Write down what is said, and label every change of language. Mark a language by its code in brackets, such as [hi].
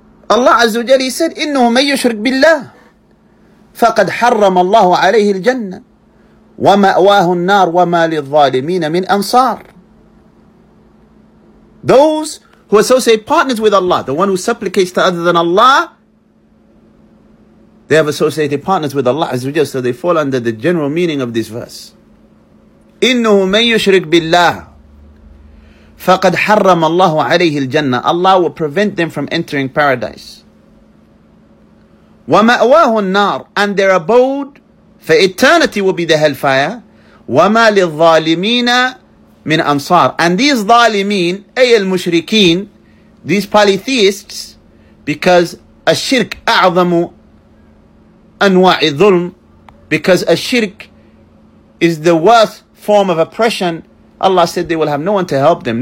[en] Allah Azza wa Jalla said, [ar] إِنَّهُ مَنْ يُشْرِكْ بِاللَّهِ فَقَدْ حَرَّمَ اللَّهُ عَلَيْهِ الْجَنَّةِ وَمَأْوَاهُ النَّارِ وَمَا لِلظَّالِمِينَ مِنْ أَنصَارِ. [en] Those who associate partners with Allah, the one who supplicates to other than Allah, they have associated partners with Allah Azza wa Jalla, so they fall under the general meaning of this verse. [ar] إِنَّهُ مَنْ يُشْرِكْ بِاللَّهِ فَقَدْ حَرَّمَ اللَّهُ عَلَيْهِ الْجَنَّةِ, [en] Allah will prevent them from entering paradise. [ar] وَمَأْوَاهُ النَّارِ, [en] and their abode for eternity will be the hellfire. [ar] وَمَا لِلظَّالِمِينَ مِنْ أَنصَارٍ, [en] and these [ar] ظالمين, أي المشركين, [en] these polytheists, because [ar] الشرك أعظم أنواع الظلم, [en] because الشرك is the worst form of oppression, Allah said they will have no one to help them.